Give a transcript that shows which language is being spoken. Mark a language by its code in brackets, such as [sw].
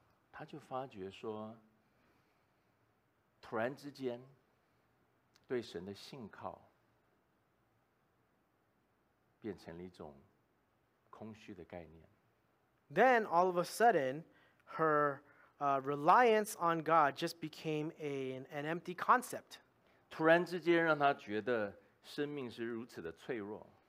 [zh] 他就发觉说，突然之间，对神的信靠变成了一种空虚的概念。 [en] Then all of a sudden, her reliance on God just became an empty concept. [zh] 突然之间，让他觉得生命是如此的脆弱。